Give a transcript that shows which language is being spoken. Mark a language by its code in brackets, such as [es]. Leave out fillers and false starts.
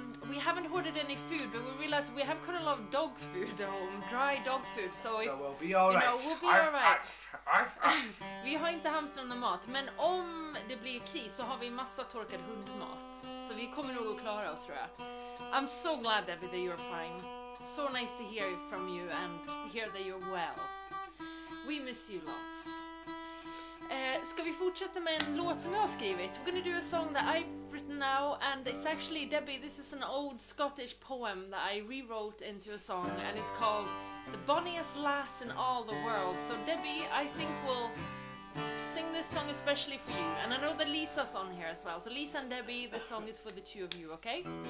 [en] We haven't hoarded any food, but we realised we have quite a lot of dog food at home. Dry dog food. So, so we'll be alright. You know, we'll be alright. [sv] Vi har inte hamstrande mat, men om det blir kris så har vi massa torkad hundmat. Så vi kommer nog att klara oss, tror jag. [en] I'm so glad, Debbie, that you're fine. So nice to hear from you and hear that you're well. We miss you lots. [sv] Ska vi fortsätta med en låt som jag har skrivit? [en] We're gonna do a song that I've written now, and it's actually, Debbie, this is an old Scottish poem that I rewrote into a song, and it's called The Bonniest Lass in All the World. So Debbie, I think we'll sing this song especially for you. And I know that Lisa's on here as well. So Lisa and Debbie, this song is for the two of you, okay?